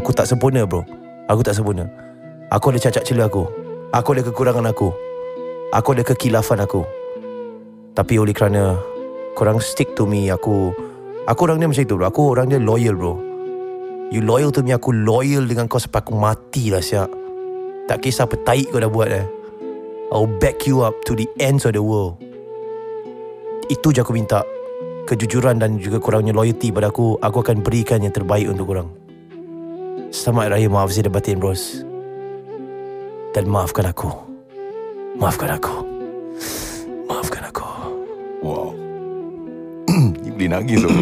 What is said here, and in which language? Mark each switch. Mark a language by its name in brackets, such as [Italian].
[Malay] Aku tak sempurna bro. Aku tak sempurna. Aku ada cacat celah aku. Aku ada kekurangan aku. Aku ada kekilafan aku. Tapi oleh kerana korang [English] stick to me, [Malay] aku orang dia macam itu bro. Aku orang dia loyal bro. [English] You loyal to me, [Malay] aku loyal dengan kau sampai aku matilah siap. Tak kisah apa taik kau dah buat eh. [English] I'll back you up to the ends of the world. [Malay] Itu je aku minta. Kejujuran dan juga korangnya loyalty pada aku, aku akan berikan yang terbaik untuk korang. Selamat raya, maaf zahir batin bros. Dan maafkan aku. Maafkan aku. Maafkan aku. Wow. Ini boleh nangis tu.